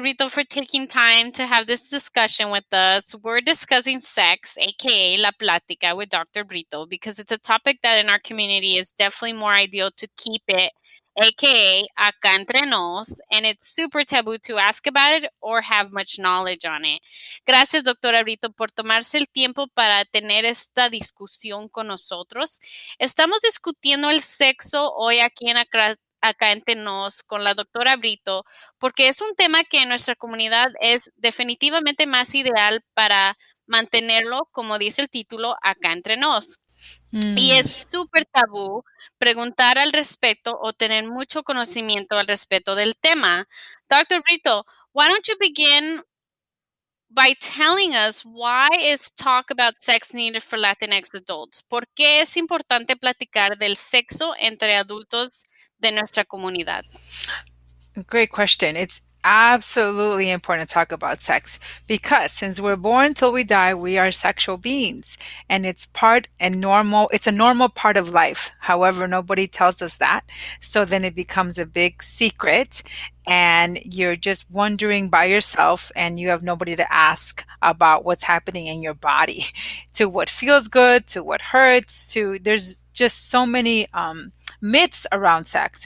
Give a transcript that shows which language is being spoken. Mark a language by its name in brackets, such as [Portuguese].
[English] Brito, for taking time to have this discussion with us. We're discussing sex, aka La Plática, with Dr. Brito, because it's a topic that in our community is definitely more ideal to keep it aka acá entre nos, and it's super taboo to ask about it or have much knowledge on it. [Spanish] Gracias, doctora Brito, por tomarse el tiempo para tener esta discusión con nosotros. Estamos discutiendo el sexo hoy aquí en acá entre nos con la doctora Brito porque es un tema que en nuestra comunidad es definitivamente más ideal para mantenerlo, como dice el título, acá entre nos. Y es súper tabú preguntar al respecto o tener mucho conocimiento al respecto del tema. [English] Dr. Brito, why don't you begin by telling us why is talk about sex needed for Latinx adults? [Spanish] ¿Por qué es importante platicar del sexo entre adultos de nuestra comunidad? [English] Great question. It's absolutely important to talk about sex because since we're born till we die, we are sexual beings and it's part and normal. It's a normal part of life. However, nobody tells us that. So then it becomes a big secret and you're just wondering by yourself and you have nobody to ask about what's happening in your body, to what feels good, to what hurts, to there's just so many, myths around sex.